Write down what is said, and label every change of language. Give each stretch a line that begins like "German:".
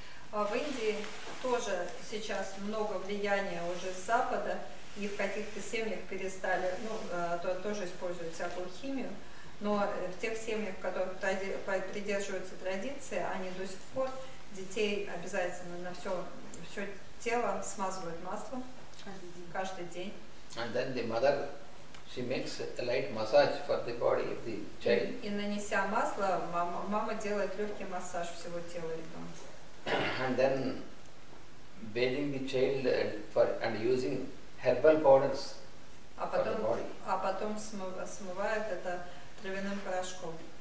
Russian: В Индии тоже сейчас много влияния уже с Запада, и в каких-то семьях перестали, ну, тоже используют всякую химию, но в тех семьях, которые придерживаются традиции, они до сих пор детей обязательно на все тело смазывают маслом каждый день.
English: And then the mother, she makes a light massage for the body of the child.
Russian: И нанеся масло, мама делает легкий массаж всего тела ребенка.
English: And then bathing the child and using herbal powders for the body.
Russian: А потом смывает это травяным порошком.